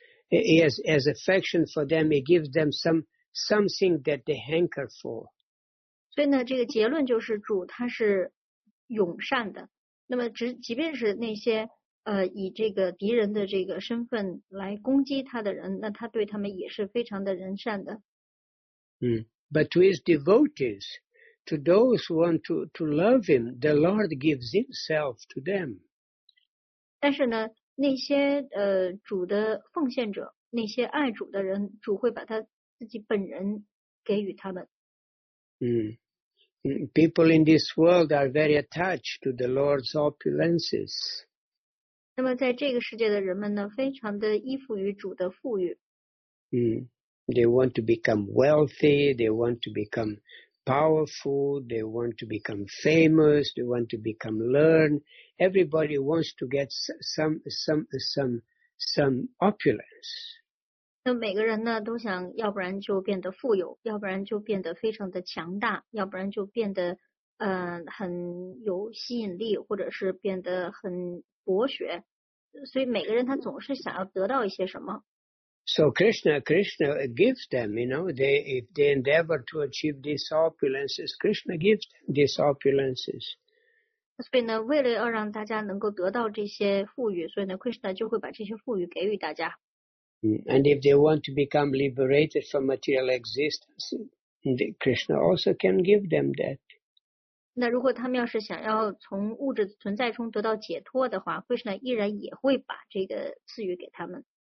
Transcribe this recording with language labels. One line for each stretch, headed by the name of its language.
English: He has affection for them. He gives them something that they hanker for.
Chinese: 所以呢，这个结论就是主他是永善的。那么即便是那些以这个敌人的这个身份来攻击他的人，那他对他们也是非常的仁善的。
English: But to his devotees, to those who want to love him, the Lord gives himself to them.
Chinese: 但是呢，那些主的奉献者，那些爱主的人，主会把他自己本人给予他们。
English: People in this world are very attached to the Lord's opulences.
Chinese: 那么在这个世界的人们呢，非常的依附于主的富裕。
English: They want to become wealthy, they want to become powerful, they want to become famous, they want to become learned. Everybody wants to get some opulence.
Chinese: 那每个人呢，都想要不然就变得富有，要不然就变得非常的强大，要不然就变得很有吸引力，或者是变得很博学。所以每个人他总是想要得到一些什么。
English: So Krishna gives them, you know, if they endeavor to achieve these opulences, Krishna gives them these opulences.
Chinese: 所以呢，为了要让大家能够得到这些富裕，所以呢 ，Krishna 就会把这些富裕给予大家。
English: And if they want to become liberated from material existence, Krishna also can give them that.
Chinese: 那如果他们要是想要从物质存在中得到解脱的话 ，Krishna 依然也会把这个赐予给他们。